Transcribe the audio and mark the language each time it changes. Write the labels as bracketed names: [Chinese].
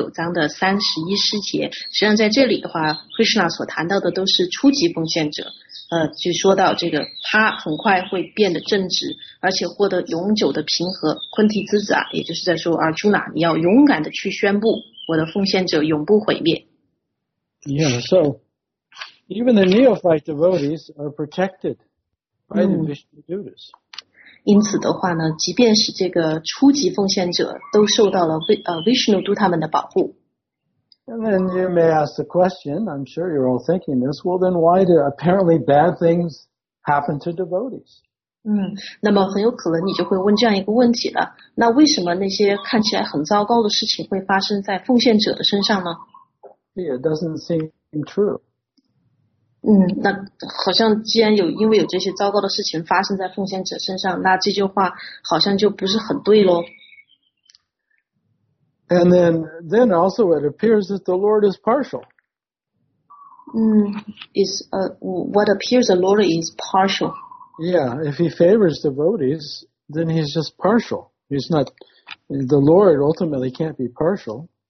[Chinese] 所以我们来看到第九章的31诗节，实际上在这里的话， Krishna 所谈到的都是初级奉献者，就说到这个他很快会变得正直，而且获得永久的平和。昆提之子啊，也就是在说， Arjuna， 你要勇敢的去宣布我的奉献者永不毁灭。 [English] Yeah, so even the neophyte devotees are protected by the Vishnu Dutas. [Chinese] 因此的话呢，即便是这个初级奉献者，都受到了Vishnu Dutas们的保护。 [English] And then you may ask the question, I'm sure you're all thinking this, well then why do apparently bad things happen to devotees? [Chinese] 那么很有可能你就会问这样一个问题了，那为什么那些看起来很糟糕的事情会发生在奉献者的身上呢？ [English] It doesn't seem true. [Chinese] 那好像既然有因为有这些糟糕的事情发生在奉献者身上，那这句话好像就不是很对咯。 [English] And then also it appears that the Lord is partial. What appears the Lord is partial. Yeah, if he favors devotees, then he's just partial. He's not, the Lord ultimately can't be partial.